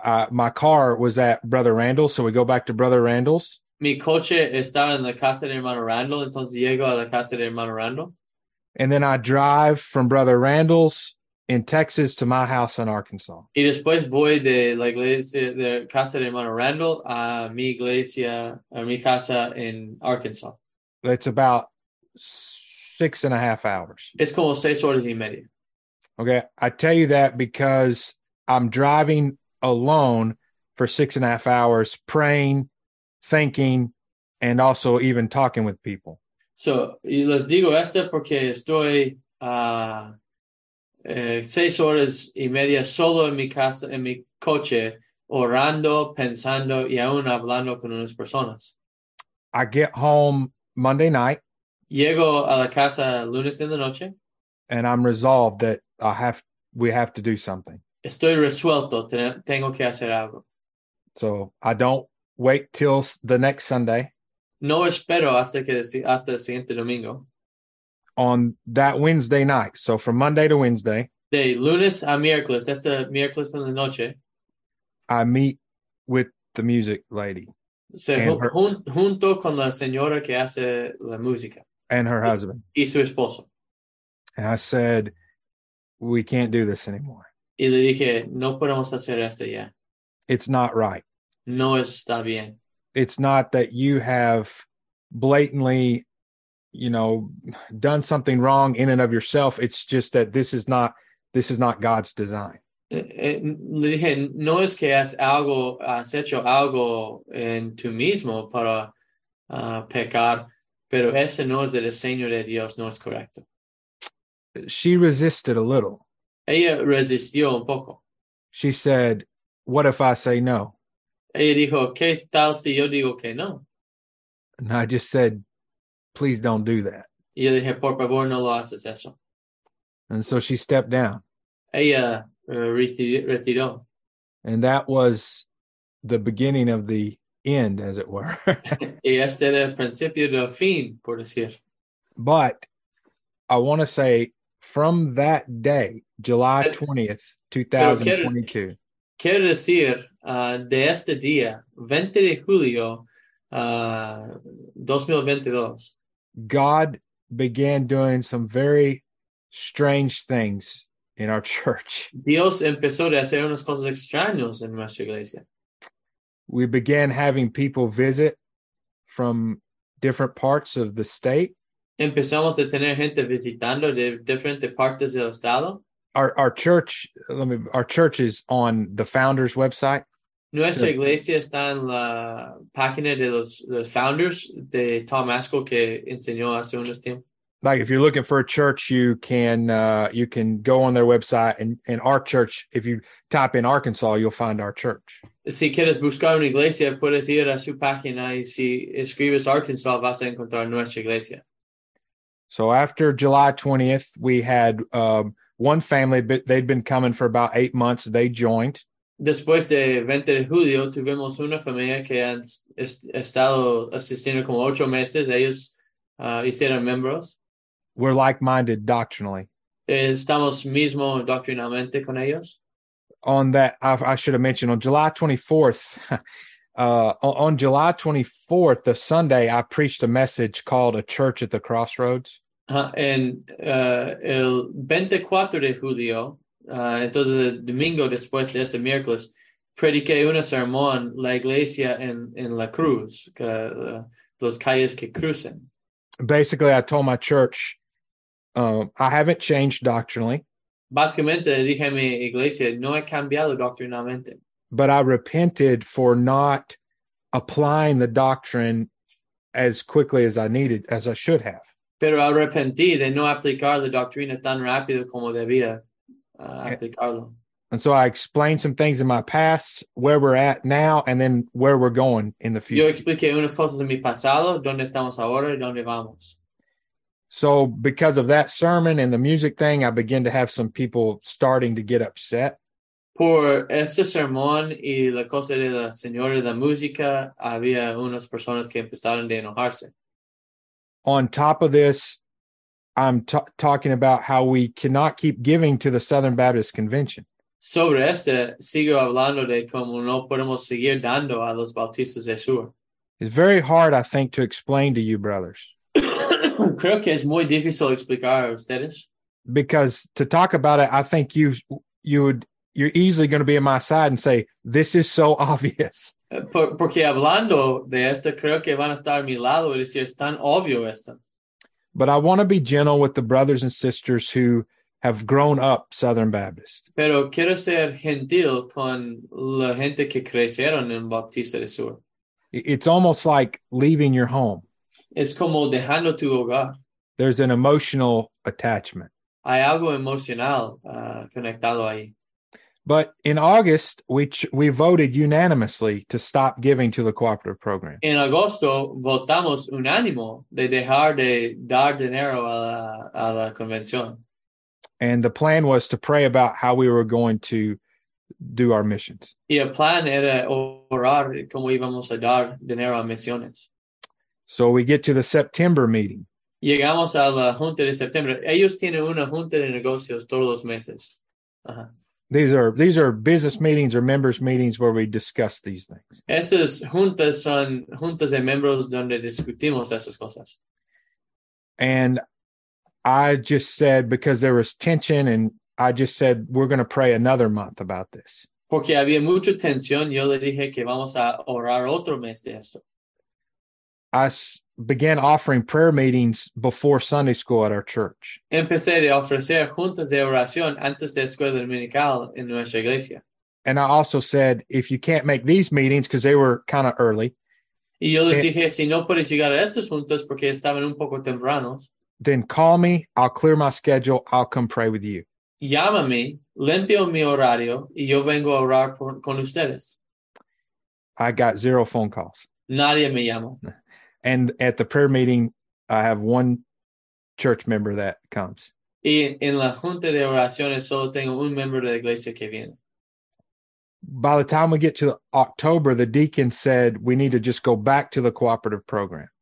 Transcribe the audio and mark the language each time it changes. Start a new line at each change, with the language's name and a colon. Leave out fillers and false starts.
English: My car was at Brother Randall's, so we go back to Brother Randall's.
Spanish: Mi coche estaba en la casa de hermano Randall, entonces llego a la casa de hermano Randall.
English: And then I drive from Brother Randall's in Texas to my house in Arkansas.
Spanish: Y después voy de la iglesia, de casa de hermano Randall, a mi iglesia, a mi casa in Arkansas.
English: That's about 6.5 hours.
Spanish: Es como 6 horas y media.
English: Okay, I tell you that because I'm driving alone for 6.5 hours, praying, thinking, and also even talking with people.
Spanish: So, les digo esto porque estoy 6 horas y media solo en mi casa, en mi coche, orando, pensando, y aún hablando con unas personas.
English: I get home Monday night.
Spanish: Llego a la casa lunes en la noche.
English: And I'm resolved that we have to do something.
Spanish: Estoy resuelto, tengo que hacer algo.
English: So I don't wait till the next Sunday.
Spanish: No espero hasta el siguiente domingo.
English: On that Wednesday night, so from Monday to Wednesday.
Spanish: De lunes a miércoles, este miércoles en la noche.
English: I meet with the music lady.
Spanish: Se junto con la señora que hace la música.
English: And her husband.
Spanish: Y su esposo.
English: And I said, we can't do this anymore.
Spanish: Y le dije, no podemos hacer esto ya.
English: It's not right.
Spanish: No está bien.
English: It's not that you have blatantly, you know, done something wrong in and of yourself. It's just that this is not God's design.
Spanish: Le dije, no es que has hecho algo en tu mismo para pecar, pero ese no es el diseño de Dios, no es correcto.
English: She resisted a little.
Spanish: Ella resistió un poco.
English: She said, what if I say no?
Spanish: Ella dijo, ¿qué tal si yo digo que no?
English: And I just said, please don't do that.
Spanish: Y yo dije, por favor, no lo haces eso.
English: And so she stepped down.
Spanish: Ella retiró.
English: And that was the beginning of the end, as it were.
Spanish: Y este era el principio del fin, por decir.
English: But I want to say, from that day, July 20th, 2022.
Spanish: Quiero decir, de este día, 20 de julio, 2022.
English: God began doing some very strange things in our church.
Spanish: Dios empezó a hacer unas cosas extrañas en nuestra iglesia.
English: We began having people visit from different parts of the state.
Spanish: Empezamos a tener gente visitando de diferentes partes del estado.
English: Our church is on the founders' website.
Spanish: Nuestra iglesia está en la página de los founders de Tom Askell que enseñó hace unos tiempos.
English: Like if you're looking for a church, you can go on their website and our church. If you type in Arkansas, you'll find our church.
Spanish: Si quieres buscar una iglesia, puedes ir a su página y si escribes Arkansas, vas a encontrar nuestra iglesia.
English: So after July 20th, we had one family, they'd been coming for about 8 months. They joined.
Spanish: Después de 20 de julio, tuvimos una familia que han estado asistiendo como 8 meses. Ellos hicieron miembros.
English: We're like-minded doctrinally.
Spanish: Estamos mismo doctrinalmente con ellos.
English: On that, I should have mentioned, on July 24th, on July 24th, the Sunday, I preached a message called A Church at the Crossroads.
Spanish: El 24 de julio, entonces el domingo después de este miércoles, prediqué una sermón, la iglesia en la cruz, los calles que crucen.
English: Basically, I told my church, I haven't changed doctrinally.
Spanish: Básicamente, dije a mi iglesia, no he cambiado doctrinalmente.
English: but I repented for not applying the doctrine as quickly as I needed, as I should have.
Spanish: Pero arrepentí de no aplicar la doctrina tan rápido como debía aplicarlo.
English: And so I explained some things in my past, where we're at now, and then where we're going in the future.
Spanish: Yo expliqué unas cosas en mi pasado, dónde estamos ahora y dónde vamos.
English: So because of that sermon and the music thing, I began to have some people starting to get upset.
Spanish: Por ese sermón y la cosa de la señora de la música, había unas personas que empezaron de enojarse.
English: On top of this, I'm talking about how we cannot keep giving to the Southern Baptist Convention.
Spanish: Sobre este, sigo hablando de cómo no podemos seguir dando a los bautistas del sur.
English: It's very hard, I think, to explain to you, brothers.
Spanish: Creo que es muy difícil explicar a ustedes.
English: Because to talk about it, I think you're easily going to be on my side and say, this is so obvious.
Spanish: Porque hablando de esto, creo que van a estar a mi lado y decir, es tan obvio esto.
English: But I want to be gentle with the brothers and sisters who have grown up Southern Baptist.
Spanish: Pero quiero ser gentil con la gente que crecieron en Bautista del Sur.
English: It's almost like leaving your home.
Spanish: Es como dejando tu hogar.
English: There's an emotional attachment.
Spanish: Hay algo emocional conectado ahí.
English: But in August, we voted unanimously to stop giving to the cooperative program.
Spanish: En agosto, votamos unánimo de dejar de dar dinero a la convención.
English: And the plan was to pray about how we were going to do our missions.
Spanish: Y el plan era orar cómo íbamos a dar dinero a misiones.
English: So we get to the September meeting.
Spanish: Llegamos a la junta de septiembre. Ellos tienen una junta de negocios todos los meses.
English: These are business meetings or members meetings where we discuss these things.
Spanish: Esas juntas son juntas de miembros donde discutimos esas cosas.
English: And I just said, because there was tension, and I just said, we're going to pray another month about this.
Spanish: Porque había mucha tensión, yo le dije que vamos a orar otro mes de esto.
English: I began offering prayer meetings before Sunday school at our church.
Spanish: Empecé a ofrecer juntas de oración antes de escuela dominical en nuestra iglesia.
English: And I also said, if you can't make these meetings, because they were kind of early.
Spanish: Y yo les dije, si no puedes llegar a estos juntas porque estaban un poco tempranos.
English: Then call me, I'll clear my schedule, I'll come pray with you.
Spanish: Llámame, limpio mi horario, y yo vengo a orar con ustedes.
English: I got zero phone calls.
Spanish: Nadie me llamó.
English: And at the prayer meeting, I have one church member that comes.
Spanish: Y en la junta de oraciones solo tengo un miembro de la iglesia que viene.
English: By the time we get to October, the deacon said, we need to just go back to the cooperative program.